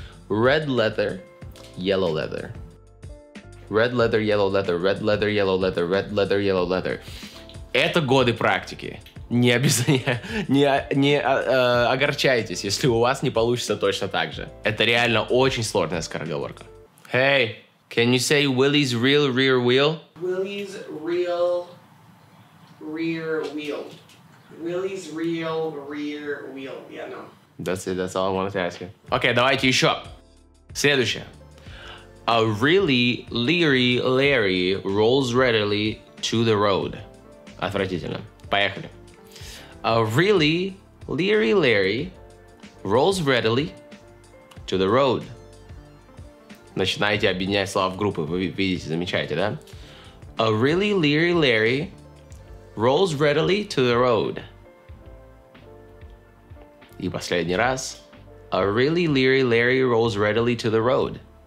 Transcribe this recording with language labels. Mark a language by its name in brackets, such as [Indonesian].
[English] Red leather, yellow leather. Red leather, yellow leather, red leather, yellow leather, red leather, yellow leather. [Russian] Это годы практики. Не огорчайтесь, если у вас не получится точно так же. Это реально очень сложная скороговорка. [English] Hey, can you say Willy's real rear wheel? Willy's real rear wheel. Willy's real rear wheel. Yeah, no. That's it. That's all I wanted to ask you. Okay, [Russian] давайте еще. Следующее. [English] A really leery Larry rolls readily to the road. [Russian] Отвратительно. Поехали. [English] A really leery Larry rolls readily to the road. [Russian] Начинаете объединять слова в группы, вы видите, замечаете, да? [English] A really leery Larry rolls readily to the road. [Russian] И последний раз. [English] A really leery Larry rolls readily to the road.